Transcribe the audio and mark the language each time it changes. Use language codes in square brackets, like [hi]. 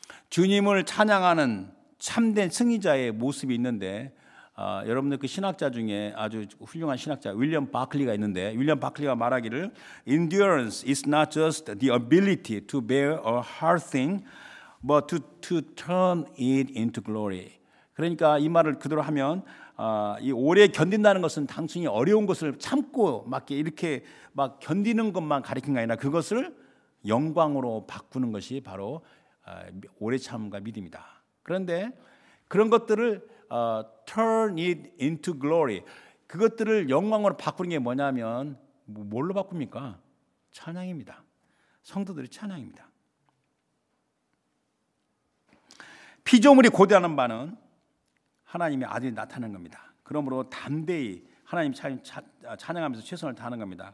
[ko] 주님을 찬양하는 참된 승리자의 모습이 있는데 여러분들 그 신학자 중에 아주 훌륭한 신학자 윌리엄 바클리가 있는데 윌리엄 바클리가 말하기를 [en] Endurance is not just the ability to bear a hard thing but to turn it into glory. [ko] 그러니까 이 말을 그대로 하면 이 오래 견딘다는 것은 단순히 어려운 것을 참고 막 이렇게 막 견디는 것만 가리키는 게 아니라 그것을 영광으로 바꾸는 것이 바로 오래 참음과 믿음이다. 그런데 그런 것들을 [en] turn it into glory. [ko] 그것들을 영광으로 바꾸는 게 뭐냐면 뭘로 바꿉니까? 찬양입니다. 성도들의 찬양입니다. 피조물이 고대하는 바는 하나님의 아들이 나타나는 겁니다. 그러므로 담대히 하나님 찬양하면서 최선을 다하는 겁니다.